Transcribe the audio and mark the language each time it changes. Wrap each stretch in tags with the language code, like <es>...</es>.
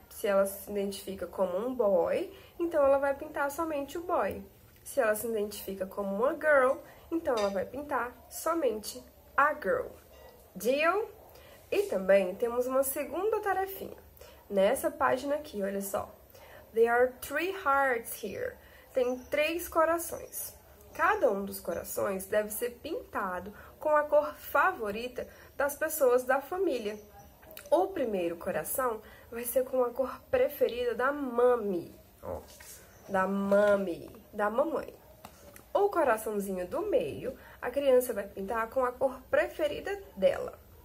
<pt>Se ela se identifica como um boy, então ela vai pintar somente o boy. Se ela se identifica como uma girl, então ela vai pintar somente a girl. Deal? E também temos uma segunda tarefinha. Nessa página aqui, olha só.</pt> <en>There are three hearts here.</en> <pt>Tem três corações. Cada um dos corações deve ser pintado com a cor favorita das pessoas da família. O primeiro coração vai ser com a cor preferida da mami. Ó, da mami, da mamãe. O coraçãozinho do meio, a criança vai pintar com a cor preferida dela.</pt>